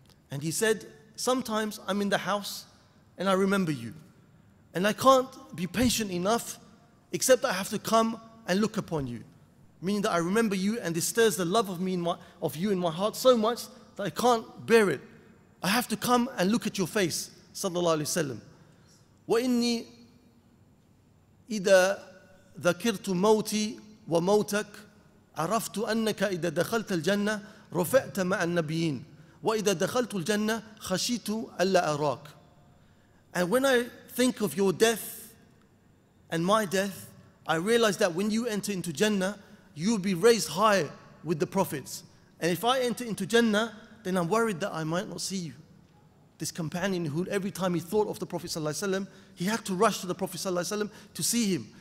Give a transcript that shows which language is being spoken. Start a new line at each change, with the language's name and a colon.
English: And he said, sometimes I'm in the house and I remember you. And I can't be patient enough, except I have to come and look upon you. Meaning that I remember you and this stirs the love of me in my, of you in my heart so much that I can't bear it. I have to come and look at your face, sallallahu alayhi wa sallam.
Arabic: وَإِنِّي إِذَا ذكرت موتي وموتك عرفت أنك إذا دخلت الجنة رفعت مع النبيين وإذا دخلت الجنة خشيت ألا أراك.
English: And when I think of your death and my death, I realize that when you enter into Jannah, you'll be raised high with the prophets. And if I enter into Jannah, then I'm worried that I might not see you. This companion who every time he thought of the Prophet sallallahu alaihi wasallam, he had to rush to the Prophet sallallahu alaihi wasallam to see him.